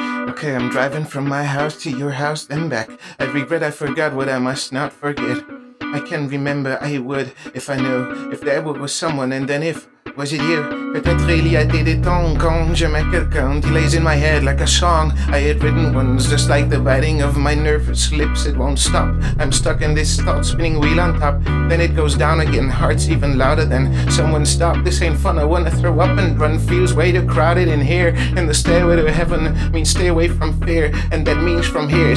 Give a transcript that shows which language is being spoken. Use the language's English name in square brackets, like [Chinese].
[English] Okay, I'm driving from my house to your house, then back. I regret I forgot what I must not forget. I can remember, I would, if I knew, if there was someone, and then if, was it you? [French] Peut-être il y a des temps quand j'aimais quelqu'un. [English] Delays in my head like a song I had written once, just like the biting of my nervous lips. It won't stop, I'm stuck in this thought, spinning wheel on top. Then it goes down again, hearts even louder than someone stop. This ain't fun, I wanna throw up and run. Feels way too crowded in here, and the stairway to heaven means stay away from fear, and that means from here.